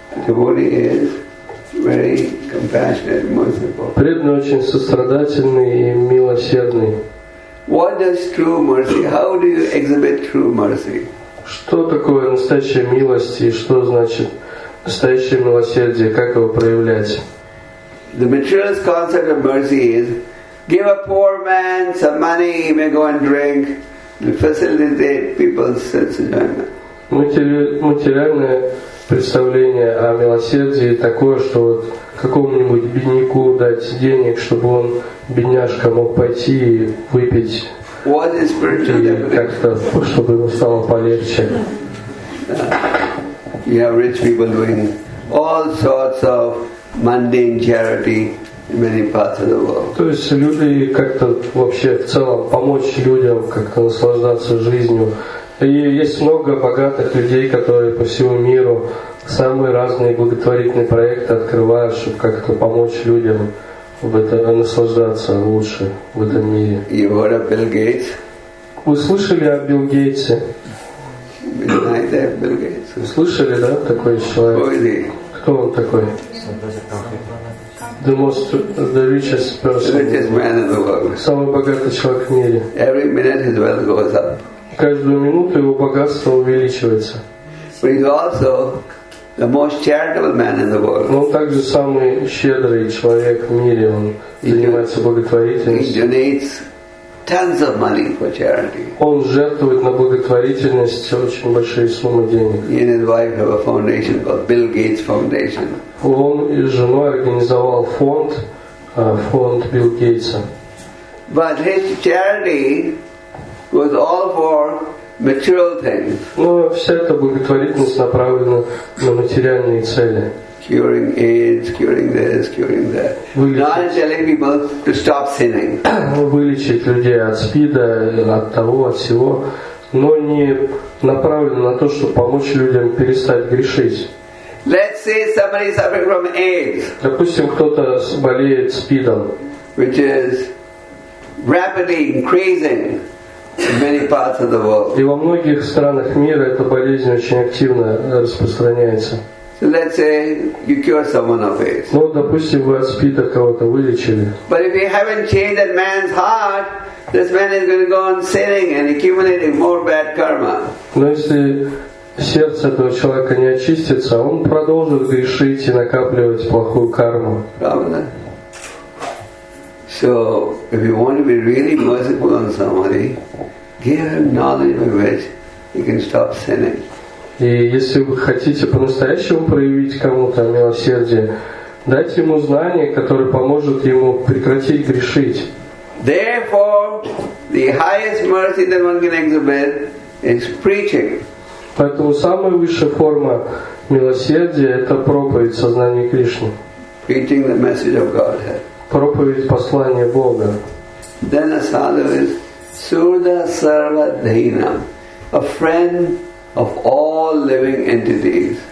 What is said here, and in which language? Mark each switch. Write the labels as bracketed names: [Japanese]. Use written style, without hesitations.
[English] Devotee is very compassionate, merciful. [Russian] Преданный очень сострадательный и милосердный. [English] What does true mercy? How do you exhibit true mercy? [Russian] Что такое настоящая милость и что значит настоящее милосердие? Как его проявлять? [English] The materialist concept of mercy is give a poor man some money, he may go and drink, and facilitate people's sense of enjoyment. [Russian] Материальное представление о милосердии такое, что вот какому-нибудь бедняку дать денег, чтобы он, бедняжка, мог пойти и выпить, и как-то, чтобы ему стало полегче. [English] You have rich people doing all sorts of mundane charity in many parts of the world. [Russian] То есть люди как-то вообще в целом помочь людям, как-то наслаждаться жизнью. И есть много богатых людей, которые по всему миру самые разные благотворительные проекты открывают, чтобы как-то помочь людям в это, наслаждаться лучше в этом мире. [English] You heard of Bill Gates? [Russian] Вы слышали о Билл Гейтсе? Вы слышали, да, такой человек? [English] Who is he? [Russian] Кто он такой? [English] The richest person. The richest man in the world. [Russian] Самый богатый человек в мире. [English] Every minute his wealth goes up. [Russian] Каждую минуту его богатство увеличивается. [English] But he's also the most charitable man in the world. [Russian] Он также самый щедрый человек в мире. Он занимается благотворительностью. [English] He donates tons of money for charity. [Russian] Он жертвует на благотворительность очень большие суммы денег. [English] He and his wife have a foundation called Bill Gates Foundation. [Russian] Он и жена организовал фонд Билл Гейтса. [English] But his charity was all for material things. [Russian] Но вся эта благотворительность направлена на материальные цели. [English] Curing AIDS, curing this, curing that. [Russian] Вылечить. [English] Not telling people to stop sinning. [Russian] Вылечить людей от СПИДа, от того, от всего, но не направлено на то, чтобы помочь людям перестать грешить. [English] Let's say somebody suffering from AIDS. [Russian] Допустим, кто-то болеет СПИДом. [English] Which is rapidly increasing. In many parts of the world. [Russian] И во многих странах мира эта болезнь очень активно распространяется. [English] Let's say you cure someone of AIDS. [Russian] Ну, допустим, вы от СПИДа кого-то вылечили. [English] But if you haven't changed that man's heart, this man is going to go on sinning and accumulating more bad karma. [Russian] Но если сердце этого человека не очистится, он продолжит грешить и накапливать плохую карму. Правда? [English] So, if you want to be really merciful on somebody, give him knowledge by which he can stop sinning. [Russian] И если вы хотите по-настоящему проявить кому-то милосердие, дайте ему знание, которое поможет ему прекратить грешить. [English] Therefore, the highest mercy that one can exhibit is preaching. [Russian] Поэтому самая высшая форма милосердия – это проповедь сознания Кришны. [English] Preaching the message of Godhead. [Russian] Проповедь послания Бога. [English] Then a sadhu is Surda Sarva Dhina, a friend of all living entities.